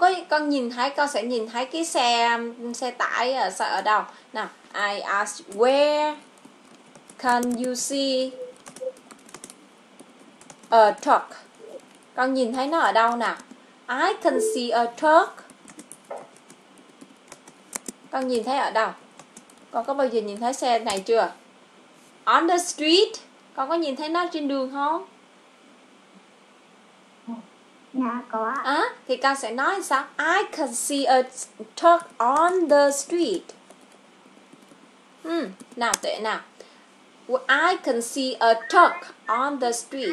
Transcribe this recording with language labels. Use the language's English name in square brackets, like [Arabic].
[Vietnamese] Con nhìn thấy, con sẽ nhìn thấy cái xe tải ở đâu. [English] Now, I ask where can you see a truck? [Vietnamese] Con nhìn thấy nó ở đâu nào? [English] I can see a truck. [Vietnamese] Con nhìn thấy ở đâu? Con có bao giờ nhìn thấy xe này chưa? [English] On the street. [Vietnamese] Con có nhìn thấy nó trên đường không? Dạ có. À, thì con sẽ nói sao? [English] I can see a truck on the street. [Vietnamese] Nào Tuệ nào. [English] I can see a truck on the street.